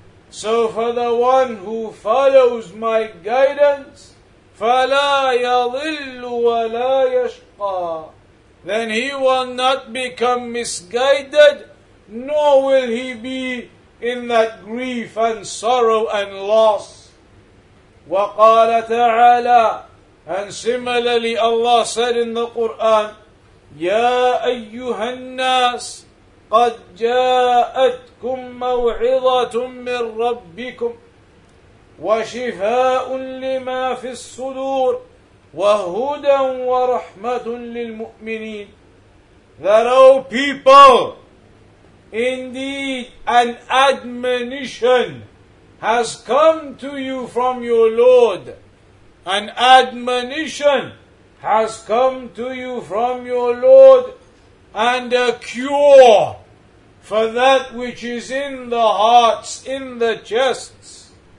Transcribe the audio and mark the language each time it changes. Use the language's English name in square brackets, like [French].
[English] So for the one who follows my guidance, [Arabic] فَلَا يَضِلُّ وَلَا يَشْقَى. [English] Then he will not become misguided, nor will he be in that grief and sorrow and loss. [Arabic] وَقَالَ تَعَالَى. [English] And similarly, Allah said in the Quran, [Arabic] يَا أَيُّهَا النَّاسِ قَدْ جَاءَتْكُمْ مَوْعِظَةٌ مِّنْ رَبِّكُمْ وَشِفَاءٌ لِمَا فِي الصُّدُورِ وَهُدًى وَرَحْمَةٌ لِلْمُؤْمِنِينَ. [English] That, O people, indeed an admonition has come to you from your Lord. An admonition has come to you from your Lord, and a cure for that which is in the hearts, in the chests.